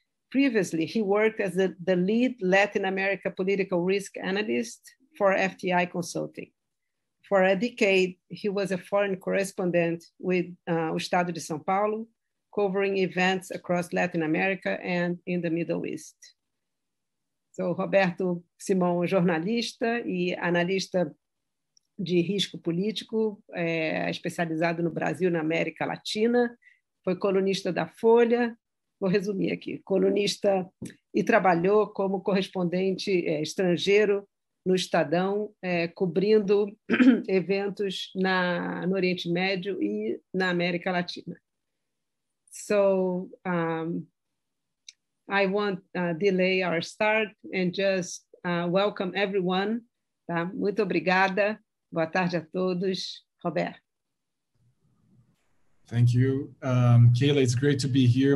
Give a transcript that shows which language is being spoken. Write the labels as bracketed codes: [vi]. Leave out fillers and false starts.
[en] Previously, he worked as the lead Latin America political risk analyst for FTI Consulting. For a decade, he was a foreign correspondent with O Estado de São Paulo, covering events across Latin America and in the Middle East. [pt] So Roberto Simon, jornalista e analista de risco político, especializado no Brasil e na América Latina, foi colunista da Folha, vou resumir aqui, colunista e trabalhou como correspondente estrangeiro no Estadão, cobrindo eventos no Oriente Médio e na América Latina. [en] So, I won't delay our start and just welcome everyone. [pt] Tá? Muito obrigada. Boa tarde a todos. Robert. [en] Thank you. Kayla, it's great to be here.